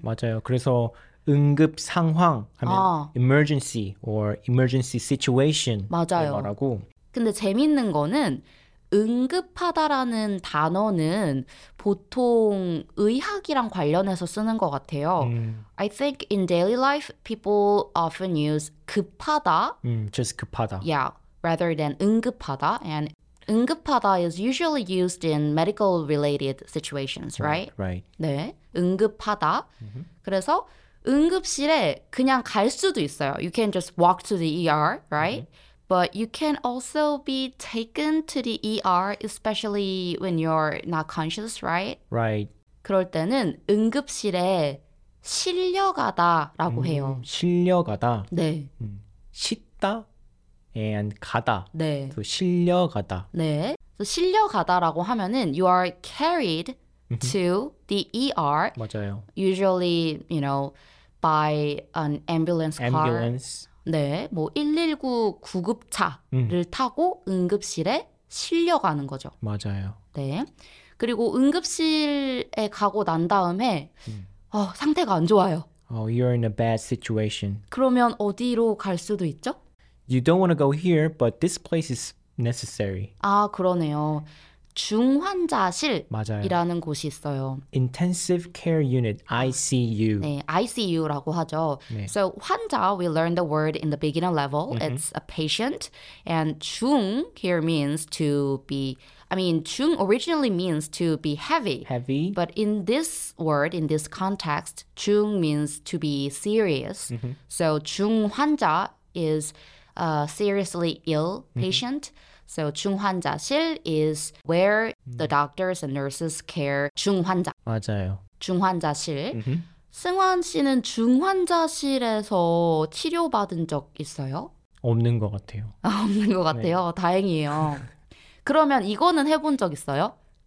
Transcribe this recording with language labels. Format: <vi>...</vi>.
<ko>맞아요. 그래서 응급 상황 하면</ko> <en>emergency or emergency situation</en> <ko>맞아요. 말하고. 근데 재밌는 거는 응급하다라는 단어는 보통 의학이랑 관련해서 쓰는 것 같아요.</ko> <en>I think in daily life, people often use 급하다. Just 급하다. Yeah, rather than 응급하다. And 응급하다 is usually used in medical related situations, right? Right.</en> <ko>네, 응급하다. 그래서 응급실에 그냥 갈 수도 있어요.</ko> <en>You can just walk to the ER, right? But you can also be taken to the ER, especially when you're not conscious, right? Right.</en> <ko>그럴 때는 응급실에 실려가다라고 해요. 실려가다. 네. 싣다 and 가다. 네. 또 실려가다.</ko> <en>네.</en> <ko>실려가다라고 하면은</ko> <en>you are carried to the ER.</en> <ko>맞아요.</ko> <en>Usually, you know, by an ambulance car. Ambulance.</en> <ko>네, 뭐 119 구급차를 타고 응급실에 실려가는 거죠. 맞아요. 네, 그리고 응급실에 가고 난 다음에 상태가 안 좋아요.</ko> <en>Oh, you're in a bad situation.</en> <ko>그러면 어디로 갈 수도 있죠?</ko> <en>You don't want to go here, but this place is necessary.</en> <ko>아, 그러네요. 중환자실이라는 곳이 있어요.</ko> <en>Intensive Care Unit, ICU.</en> <ko>네, ICU라고 하죠. 네.</ko> <en>So 환자, we learned the word in the beginner level. It's a patient. And 중 here means to be, I mean, 중 originally means to be heavy. Heavy. But in this word, in this context, 중 means to be serious. So 중환자 is a seriously ill patient. So 중환자실 is where the doctors and nurses care 중환자.</en> <ko>맞아요. 중환자실. 승환 씨는 중환자실에서 치료받은 적 있어요? 없는 것 같아요. 없는 것 같아요? 네. 다행이에요. 그러면 이거는 해본 적 있어요?</ko>